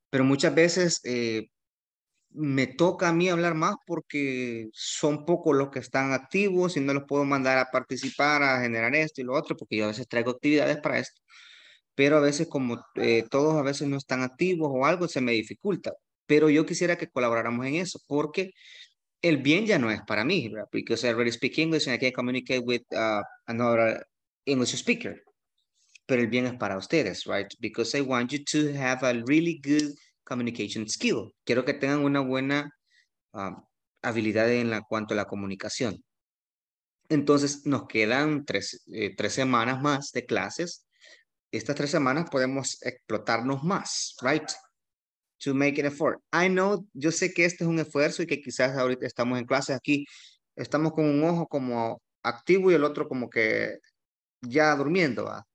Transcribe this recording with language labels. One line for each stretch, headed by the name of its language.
Spanish: Pero muchas veces me toca a mí hablar más porque son pocos los que están activos y no los puedo mandar a participar, a generar esto y lo otro, porque yo a veces traigo actividades para esto. Pero a veces como todos a veces no están activos o algo, se me dificulta. Pero yo quisiera que colaboráramos en eso, porque el bien ya no es para mí, ¿verdad?
English: Because I already speak English and I can communicate with another English speaker.
Spanish: Pero el bien es para ustedes,
English: right? Because I want you to have a really good communication skill.
Spanish: Quiero que tengan una buena habilidad en cuanto a la comunicación. Entonces, nos quedan tres semanas más de clases. Estas tres semanas podemos explotarnos más,
English: right? To make an effort. I know,
Spanish: yo sé que este es un esfuerzo y que quizás ahorita estamos en clases aquí, estamos con un ojo como activo y el otro como que ya durmiendo, ¿va?